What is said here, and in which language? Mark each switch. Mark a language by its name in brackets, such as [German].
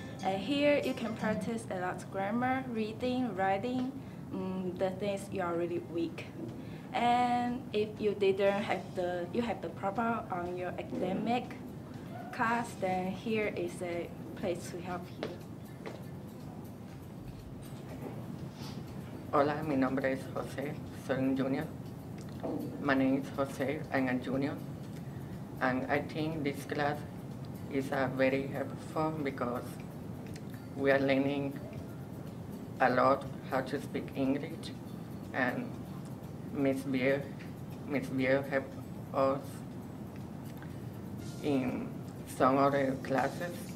[English] And here you can practice a lot of grammar, reading, writing, the things you are really weak. And if you didn't have the problem on your academic class, then here is a place to help you. [Spanish] Hola, mi nombre es Jose, soy un junior. [English] My name is Jose, I'm a junior. And I think this class is very helpful because we are learning a lot how to speak English, and Ms. Beer helped us in some other classes.